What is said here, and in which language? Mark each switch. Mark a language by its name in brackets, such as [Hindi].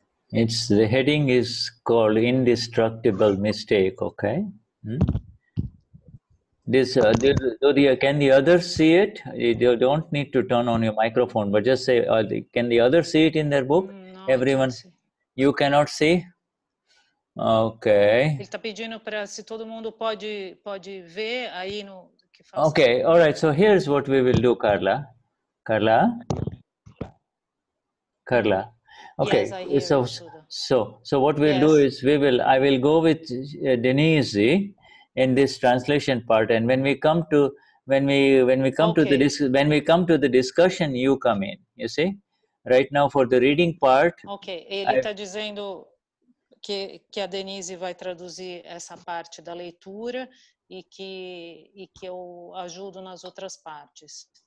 [English] It's the heading is called Indestructible Mistake, okay? Can the others see it? You don't need to turn on your microphone, but just say, can the others see it in their book? No, everyone, you cannot see? Okay. [Portuguese] Ele tá pedindo para se todo mundo pode ver aí no que faz. [English] Okay, all right, so here's what we will do, Carla. Carla. Okay, yes, so what we'll do is I will go with Denise in this translation part, and when we come to the discussion, you come in. You see, right now for the reading part. [Portuguese] Okay, ele está dizendo que a Denise vai traduzir essa parte da leitura e que eu ajudo nas outras partes.